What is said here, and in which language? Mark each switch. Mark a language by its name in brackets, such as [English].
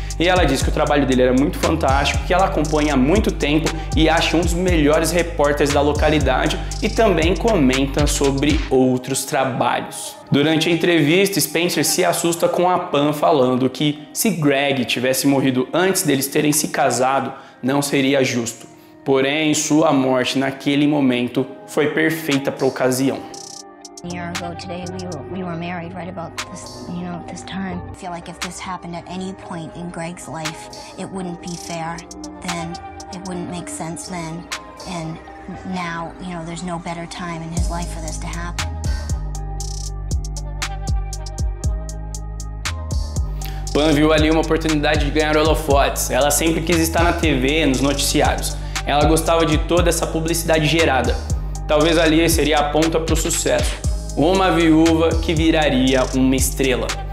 [Portuguese] E ela diz que o trabalho dele era muito fantástico, que ela acompanha há muito tempo e acha um dos melhores repórteres da localidade e também comenta sobre outros trabalhos. Durante a entrevista, Spencer se assusta com a Pan falando que se Greg tivesse morrido antes deles terem se casado, não seria justo. Porém, sua morte naquele momento foi perfeita para a ocasião. [English] A year ago today we were married right about this, you know, this time. I feel like if this happened at any point in Greg's life, it wouldn't be fair. Then it wouldn't make sense then. And now, you know, there's no better time in his life for this to happen. [Portuguese] Pan viu ali uma oportunidade de ganhar holofotes. Ela sempre quis estar na TV, nos noticiários. Ela gostava de toda essa publicidade gerada. Talvez ali seria a ponta para o sucesso. Uma viúva que viraria uma estrela.